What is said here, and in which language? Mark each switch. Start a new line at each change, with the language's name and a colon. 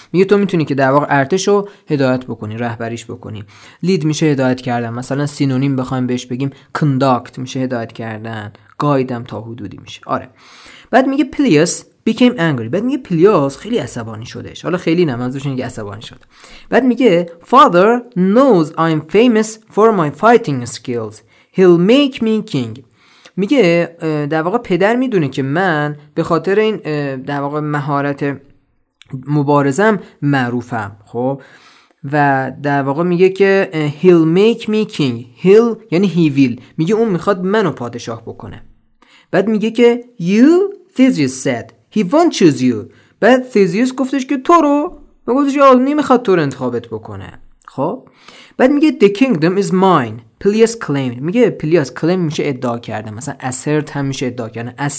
Persian: میگه تو میتونی که در واقع ارتشو هدایت بکنی، رهبریش بکنی. Lead میشه هدایت کردن، مثلا سینونیم بخوایم بهش بگیم conduct میشه هدایت کردن، گایدم تا حدودی میشه. آره. بعد میگه
English: Peleus became angry.
Persian: بعد میگه Peleus خیلی عصبانی شدش. حالا خیلی نه، منظورش اینه که عصبانی شد. بعد میگه
English: Father knows I'm famous for my fighting skills. He'll make me king.
Persian: میگه در واقع پدر میدونه که من به خاطر این در واقع مهارت مبارزم معروفم. خب و در واقع میگه که
English: He'll make me king. He'll یعنی he will.
Persian: میگه اون میخواد منو پادشاه بکنه. بعد میگه که
English: You Theseus said He won't choose you.
Persian: بعد Theseus گفتش که تو رو، گفتش که نمیخواد تو رو انتخابت بکنه. خب بعد میگه
English: The kingdom is mine. Peleus claimed.
Persian: میگه Peleus claim میشه ادعا کردن، مثلا assert هم میشه ادعا کردن.